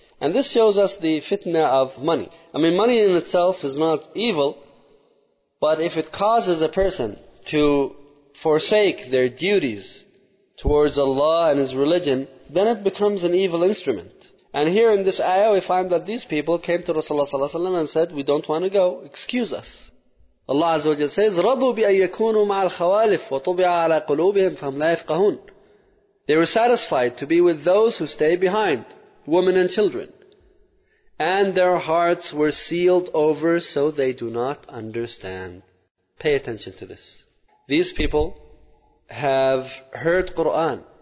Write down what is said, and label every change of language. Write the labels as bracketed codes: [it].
[en] And this shows us the fitna of money. I mean, money in itself is not evil, but if it causes a person to forsake their duties towards Allah and His religion, then it becomes an evil instrument. And here in this ayah we find that these people came to Rasulullah ﷺ and said, we don't want to go, excuse us. [ar] Allah Azza wa Jalla says, رَضُوا بِأَن يَكُونُوا مَعَ الْخَوَالِفِ وَطُبِعَ عَلَى قُلُوبِهِمْ فَهُمْ لَا يَفْقَهُونَ. [en] They were satisfied to be with those who stay behind, women and children. And their hearts were sealed over so they do not understand. Pay attention to this. These people have heard Quran.